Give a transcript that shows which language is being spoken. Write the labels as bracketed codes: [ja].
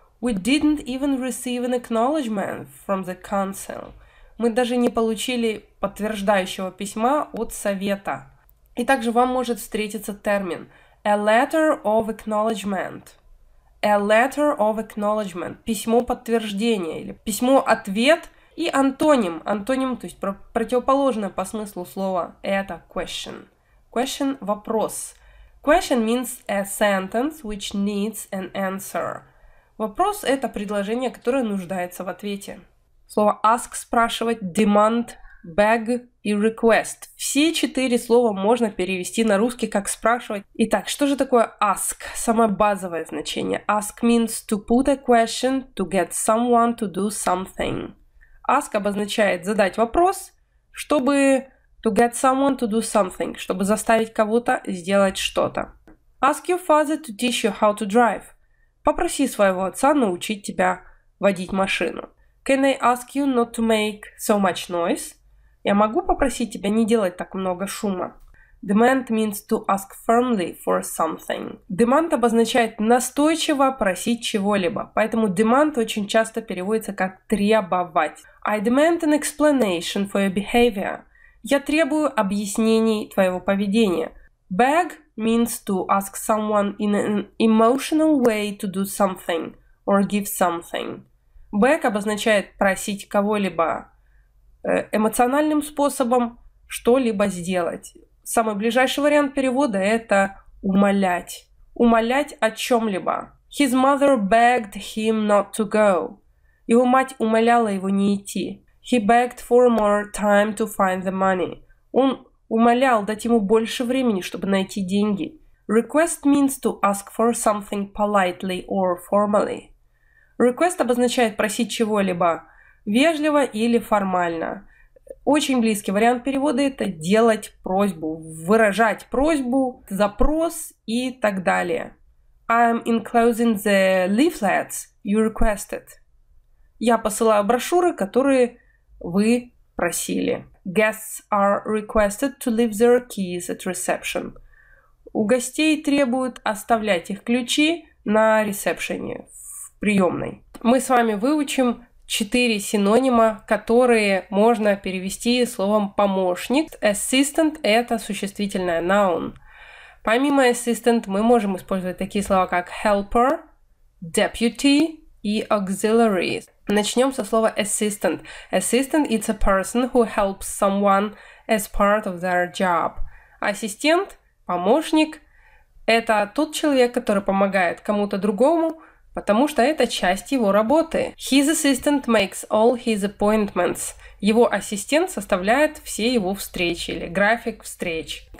[en] We didn't even receive an acknowledgement from the council. [ru] Мы даже не получили подтверждающего письма от совета. И также вам может встретиться термин [en] a letter of acknowledgement. A letter of acknowledgement. [ru] Письмо подтверждения или письмо-ответ и антоним. Антоним, то есть противоположное по смыслу слова, это question. [en] Question – вопрос. Question means a sentence which needs an answer. [ru] Вопрос – это предложение, которое нуждается в ответе. Слово ask – спрашивать, demand, beg и request. Все четыре слова можно перевести на русский как спрашивать. Итак, что же такое ask? Самое базовое значение. [en] Ask means to put a question, to get someone to do something. [ru] Ask обозначает задать вопрос, чтобы... [en] To get someone to do something, [ru] чтобы заставить кого-то сделать что-то. [en] Ask your father to teach you how to drive. [ru] Попроси своего отца научить тебя водить машину. [en] Can I ask you not to make so much noise? [ru] Я могу попросить тебя не делать так много шума. [en] Demand means to ask firmly for something. [ru] Demand обозначает настойчиво просить чего-либо, поэтому demand очень часто переводится как требовать. [en] I demand an explanation for your behavior. [ru] Я требую объяснений твоего поведения. [en] Beg means to ask someone in an emotional way to do something or give something. [ru] Beg обозначает просить кого-либо эмоциональным способом что-либо сделать. Самый ближайший вариант перевода – это умолять. Умолять о чем-либо. [en] His mother begged him not to go. [ru] Его мать умоляла его не идти. [en] He begged for more time to find the money. [ru] Он умолял дать ему больше времени, чтобы найти деньги. [en] Request means to ask for something politely or formally. [ru] Request обозначает просить чего-либо вежливо или формально. Очень близкий вариант перевода – это делать просьбу, выражать просьбу, запрос и так далее. [en] I'm enclosing the leaflets you requested. [ru] Я посылаю брошюры, которые вы просили. [en] Guests are requested to leave their keys at reception. [ru] У гостей требуют оставлять их ключи на ресепшене, в приемной. Мы с вами выучим 4 синонима, которые можно перевести словом «помощник». Assistant – это существительное noun. Помимо assistant, мы можем использовать такие слова, как helper, deputy и auxiliary. Начнем со слова assistant. [en] Assistant – it's a person who helps someone as part of their job. [ru] Ассистент, помощник – это тот человек, который помогает кому-то другому, потому что это часть его работы. [en] His assistant makes all his appointments. [ru] Его ассистент составляет все его встречи или график встреч.